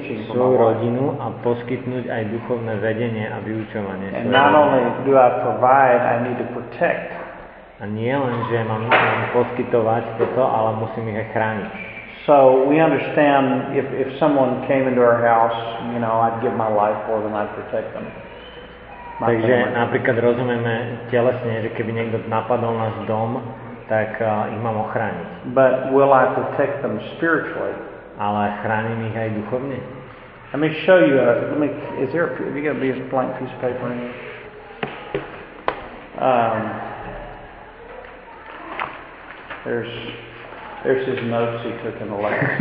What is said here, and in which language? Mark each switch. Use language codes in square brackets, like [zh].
[sk] svoju rodinu a poskytnúť aj duchovné vedenie a vyučovanie. [en] And not only do I provide, I need to protect. [sk] A nie len, že mám poskytovať toto, ale musím ich aj chrániť. [en] So we understand if someone came into our house, you know, I'd give my life for them, I'd protect them. [sk] Takže napríklad rozumieme telesne, že keby niekto napadol náš dom, tak ich mám ochrániť. [en] But will I protect them spiritually? [sk] Ale chránim ich aj duchovne. [en] Let me show you, have you got a blank piece of paper in here? There's his notes he took in the lab.